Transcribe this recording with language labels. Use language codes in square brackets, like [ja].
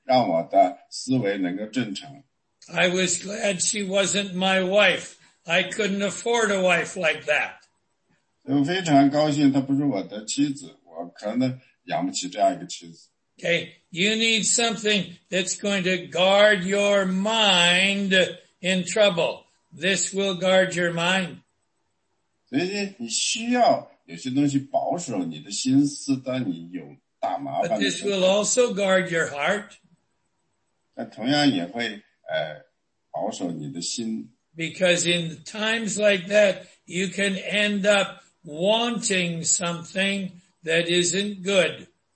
[zh] 因为他有一个朋友，他说我必须去到downtown来去买点东西，我要用这些东西让我的思维能够正常。 [en] I was glad she wasn't my wife. I couldn't afford a wife like that. [zh] 我非常高兴她不是我的妻子，我可能养不起这样一个妻子。 [en] Okay, you need something that's going to guard your mind in trouble. This will guard your mind. [zh] 所以你需要有些东西保守你的心思，当你有大麻烦的时候。 [en] But this will also guard your heart. [zh] 那同样也会保守你的心。 [en] Because in times like that, you can end up wanting something that isn't good.